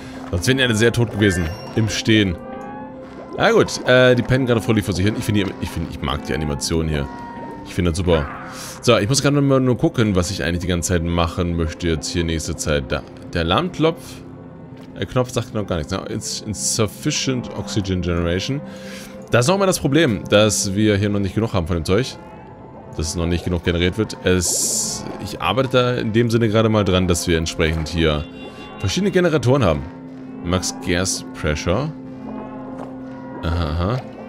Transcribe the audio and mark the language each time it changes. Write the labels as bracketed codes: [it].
[de] Sonst wären die alle sehr tot gewesen. Im Stehen. Na gut, die pennen gerade fröhlich vor sich hin. Ich mag die Animation hier. Ich finde das super. So, ich muss gerade mal nur gucken, was ich eigentlich die ganze Zeit machen möchte jetzt hier nächste Zeit. Der Alarmklopf. Der Knopf sagt noch gar nichts. [en] It's insufficient oxygen generation. [de] Das ist auch immer das Problem, dass wir hier noch nicht genug haben von dem Zeug. Dass es noch nicht genug generiert wird. Ich arbeite da in dem Sinne gerade mal dran, dass wir entsprechend hier verschiedene Generatoren haben. [en] Max Gas Pressure. Aha.